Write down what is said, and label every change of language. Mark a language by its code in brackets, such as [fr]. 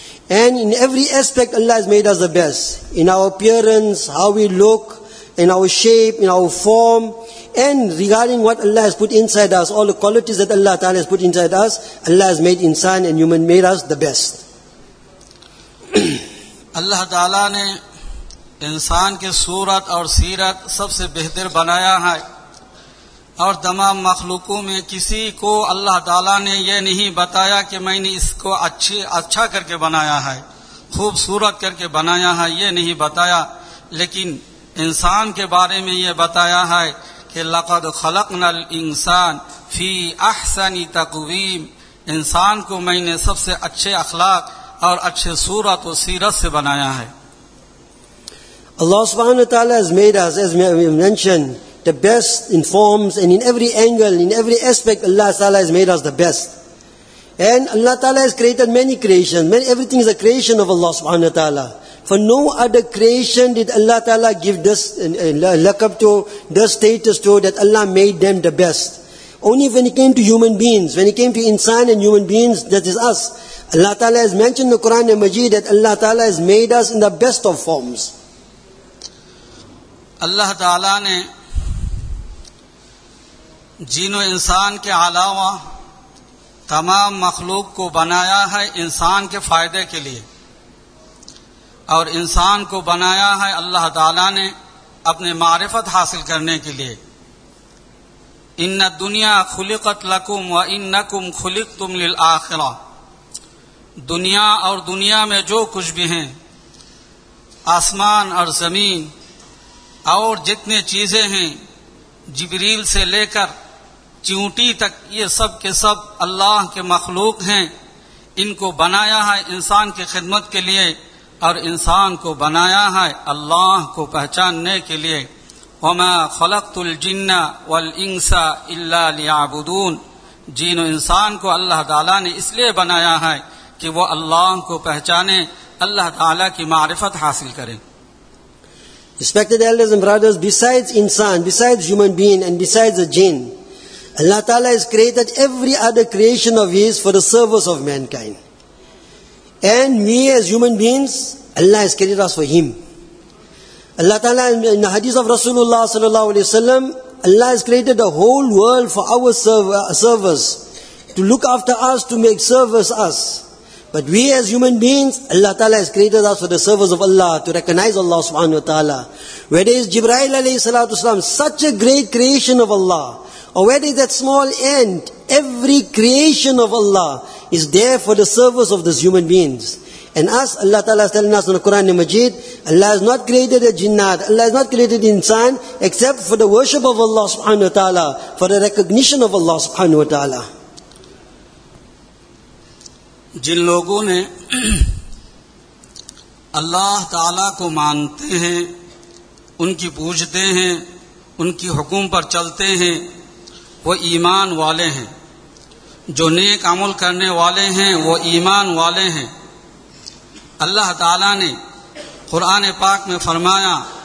[en] And in every aspect, Allah has made us the best. In our appearance, how we look, in our shape, in our form, and regarding what Allah has put inside us, all the qualities that Allah ta'ala has put inside us, Allah has made insan and human made us the best. [ur] اللہ تعالیٰ نے انسان کی صورت اور سیرت سب سے بہتر بنایا ہے اور تمام مخلوقوں میں کسی کو اللہ تعالیٰ نے یہ نہیں بتایا کہ میں نے اس کو اچھا کر کے بنایا ہے، خوبصورت کر کے بنایا ہے، یہ نہیں بتایا. لیکن انسان کے بارے میں یہ بتایا ہے کہ [ar] لقد خلقنا الانسان فی احسن تقویم، [ur] انسان کو میں نے سب سے اچھے اخلاق اور اچھے صورت و سیرت سے بنایا ہے. [en] اللہ سبحانہ وتعالی has made us, as we mentioned, the best in forms and in every angle, in every aspect, Allah تعالی has made us the best. And Allah تعالی has created many creations. Everything is a creation of Allah سبحانہ وتعالی. For no other creation did Allah تعالی give this laqab to, this status to, that Allah made them the best. Only when it came to human beings, when it came to insan and human beings, that is us, Allah Ta'ala has mentioned in the Quran and Majid that Allah Ta'ala has made us in the best of forms. [ur] Allah Ta'ala نے جن و انسان کے علاوہ تمام مخلوق کو بنایا ہے انسان کے فائدے کے لیے، اور انسان کو بنایا ہے اللہ تعالیٰ نے اپنے معرفت حاصل کرنے کے لیے۔ [ar] ان الدنیا خلقت لکم وانکم خلقتم للآخرہ، [ur] دنیا اور دنیا میں جو کچھ بھی ہیں، آسمان اور زمین اور جتنے چیزیں ہیں، جبریل سے لے کر چیونٹی تک، یہ سب کے سب اللہ کے مخلوق ہیں۔ ان کو بنایا ہے انسان کی خدمت کے لیے، اور انسان کو بنایا ہے اللہ کو پہچاننے کے لیے۔ [ar] وما خلقت الجن والانس الا ليعبدون، [ur] جن و انسان کو اللہ تعالیٰ نے اس لیے بنایا ہے کہ وہ اللہ کو پہچانے، اللہ تعالیٰ کی معرفت حاصل کریں۔ [en] Respected elders and brothers, besides insan, besides human being and besides the jinn, Allah Ta'ala has created every other creation of His for the service of mankind. And we as human beings, Allah has created us for Him. Allah Ta'ala, in the hadith of Rasulullah sallallahu alayhi wa sallam, Allah has created the whole world for our service, to look after us, to make service us. But we as human beings, Allah Ta'ala has created us for the service of Allah, to recognize Allah subhanahu wa ta'ala. Whether it's Jibreel alayhi salatu wasalam, such a great creation of Allah, or whether it's that small ant, every creation of Allah is there for the service of these human beings. And us, Allah Ta'ala is telling us in the Quran and Majid, Allah has not created a jinnat, Allah has not created insan, except for the worship of Allah subhanahu wa ta'ala, for the recognition of Allah subhanahu wa ta'ala. [ur] جن لوگوں نے اللہ تعالیٰ کو مانتے ہیں، ان کی پوجتے ہیں، ان کی حکم پر چلتے ہیں، وہ ایمان والے ہیں۔ جو نیک عمل کرنے والے ہیں وہ ایمان والے ہیں۔ اللہ تعالیٰ نے قرآن پاک میں فرمایا،